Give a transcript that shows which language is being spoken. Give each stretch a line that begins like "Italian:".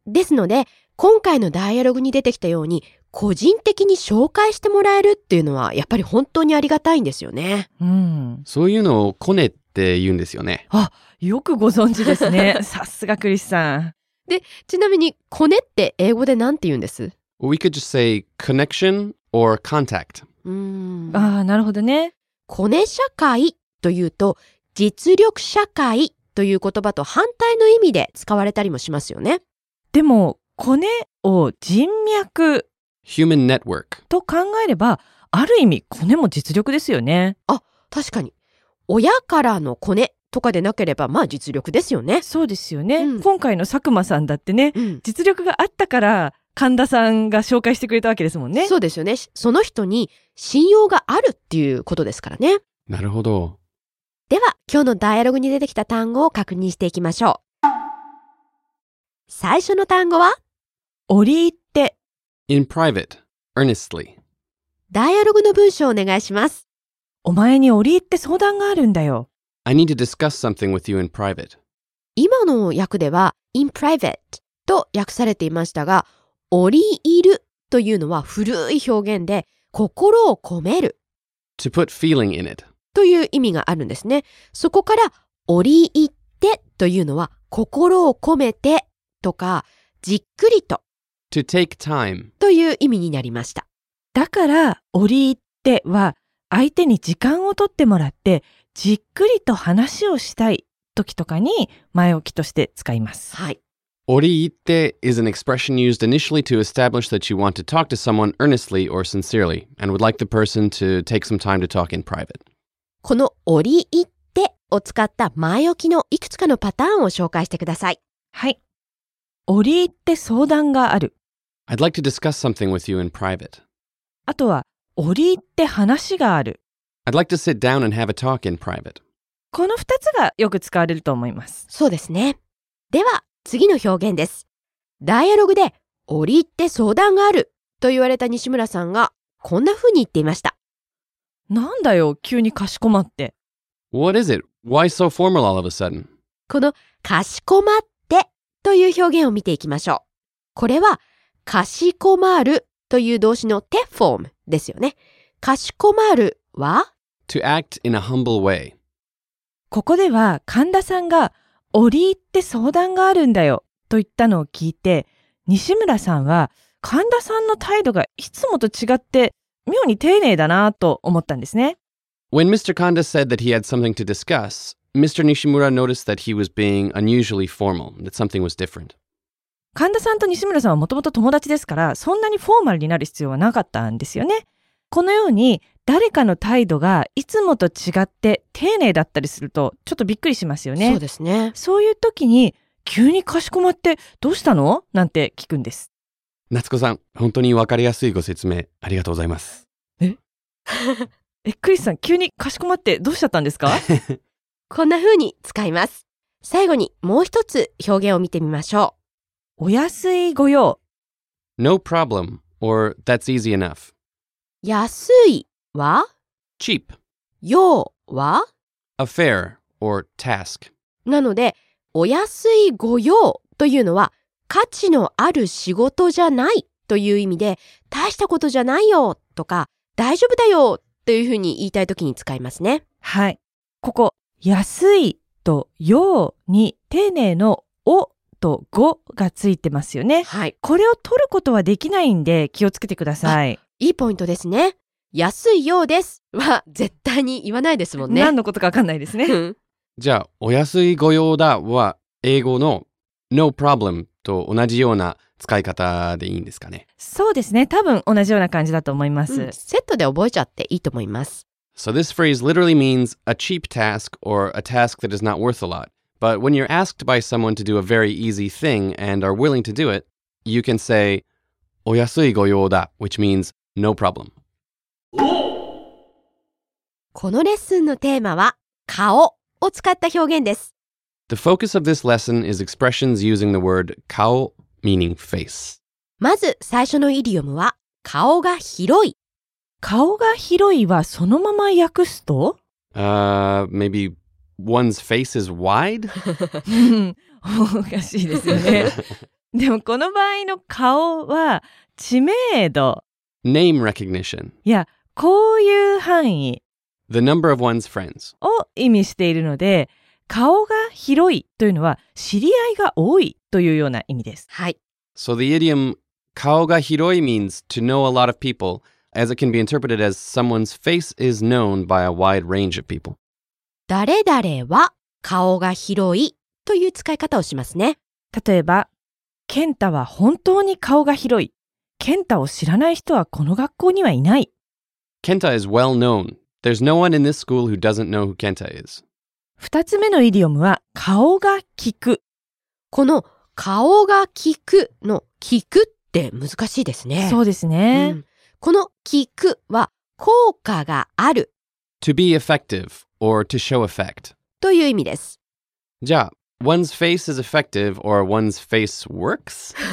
Japanese: ですので、今回のダイアログに出てきたように、個人的に紹介してもらえるっていうのはやっぱり本当にありがたいんですよね。そういうのをコネって言うんですよね。あ、よくご存知ですね。さすがクリスさん。で、ちなみにコネって英語でなんて言うんです？
English: We could just say connection or contact.
Japanese: なるほどね。コネ社会というと、実力社会という言葉と反対の意味で使われたりもしますよね。でもコネを人脈、
English: Human Network
Japanese: と考えれば、ある意味コネも実力ですよね。あ、確かに。親からのコネとかでなければ、まあ実力ですよね。そうですよね。今回の佐久間さんだってね、実力があったから神田さんが紹介してくれたわけですもんね。そうですよね。その人に信用があるっていうことですからね。なるほど。では今日のダイアログに出てきた単語を確認していきましょう。最初の単語は折り入って
English: In private, earnestly.
Japanese: ダイアログの文章をお願いします。お前に折り入って相談があるんだよ。
English: I need to discuss something with you in private.
Japanese: 今の訳では
English: In private
Japanese: と訳されていましたが、折り入るというのは古い表現で、心を込める。
English: To put feeling in it.
Japanese: という意味があるんですね。そこから、折り入ってというのは、心を込めてとか、じっくりと。
English: To take time.
Japanese: という意味になりました。だから、折り入っては、相手に時間を取ってもらって、じっくりと話をしたい時とかに、前置きとして使います。はい。
English: 折り入って is an expression used initially to establish that you want to talk to someone earnestly or sincerely and would like the person to take some time to talk in private.
Japanese: この折り入ってを使った前置きのいくつかのパターンを紹介してください。はい。折り入って相談がある。
English: I'd like to discuss something with you in private.
Japanese: あとは、折り入って話がある。
English: I'd like to sit down and have a talk in private.
Japanese: この2つがよく使われると思います。そうですね。では、次の表現です。ダイアログで、折り入って相談があると言われた西村さんが、こんな風に言っていました。なんだよ、急にかしこまって。
English: What is it? Why so formal all of a sudden?
Japanese: このかしこまってという表現を見ていきましょう。これは、かしこまるという動詞のてフォームですよね。かしこまるは
English: To act in a humble way.
Japanese: ここでは神田さんが、折り入って相談があるんだよと言ったのを聞いて、西村さんは神田さんの態度がいつもと違って妙に丁寧だなと思ったんですね。
English: When Mr. Kanda said that he had something to discuss, Mr. Nishimura noticed that he was being unusually formal, that something was different.
Japanese: 神田さんと西村さんはもともと友達ですから、そんなにフォーマルになる必要はなかったんですよね。このように誰かの態度がいつもと違って丁寧だったりするとちょっとびっくりしますよね。そうですね。そういう時に急にかしこまってどうしたの？なんて聞くんです。夏子さん、本当に分かりやすいご説明ありがとうございます。え？クリスさん、急にかしこまってどうしちゃったんですか？こんな風に使います。最後にもう一つ表現を見てみましょう。お安いご用。
English: No problem or that's easy enough。
Japanese: 安いは
English: cheap、
Japanese: 用は
English: affair or task。
Japanese: なのでお安いご用というのは価値のある仕事じゃないという意味で、大したことじゃないよとか大丈夫だよというふうに言いたいときに使いますね。はい。ここ安いと用に丁寧のおとごがついてますよね。はい。これを取ることはできないんで気をつけてください。いいポイントですね。安いようですは絶対に言わないですもんね。何のことかわかんないですね。じゃあお安いご用だは英語の
English: No problem
Japanese: と同じような使い方でいいんですかね。そうですね、多分同じような感じだと思います、うん、セットで覚えちゃっていいと思います。
English: So this phrase literally means a cheap task or a task that is not worth a lot. But when you're asked by someone to do a very easy thing and are willing to do it, you can say
Japanese: お安いご用だ,
English: which means no problem.
Japanese: このレッスンのテーマは顔を使った表現です。
English: The focus of this lesson is expressions using the word 顔, meaning face.
Japanese: まず最初のイディオムは顔が広い。顔が広いはそのまま訳すと
English: maybe one's face is wide?
Japanese: おかしいですよね。でもこの場合の顔は知名度。
English: Name recognition.
Japanese: いや、こういう範囲。
English: The number of one's friends.
Japanese: を意味しているので、顔が広いというのは知り合いが多いというような意味です。はい。
English: So the idiom
Japanese: 顔が広い
English: means to know a lot of people, as it can be interpreted as someone's face is known by a wide range of people.
Japanese: 誰々は顔が広いという使い方をしますね。例えば、ケンタは本当に顔が広い。ケンタを知らない人はこの学校にはいない。
English: ケンタ is well known. There's no one in this school who doesn't know who ケンタ is.
Japanese: 二つ目のイディオムは顔が聞く。この顔が聞くの聞くって難しいですね。そうですね。うん、この聞くは効果がある。
English: To be effective or to show effect.
Japanese: という意味です。じゃあ、
English: One's face is effective or one's face works?